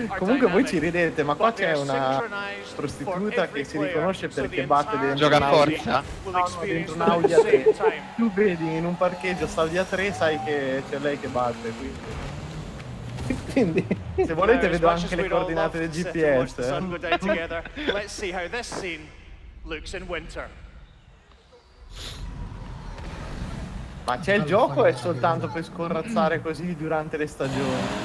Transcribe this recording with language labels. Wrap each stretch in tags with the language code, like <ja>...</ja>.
<it>Comunque voi ci ridete, ma qua c'è una prostituta che si riconosce perché batte dentro, gioca a forza dentro un Audi A3. Tu vedi in un parcheggio sta Audi A3, sai che c'è lei che batte, quindi se volete vedo anche le coordinate del GPS.</it> <en>Let's see how this scene looks in winter.</en> <it>Ma c'è il gioco o è soltanto per scorrazzare così durante le stagioni?</it>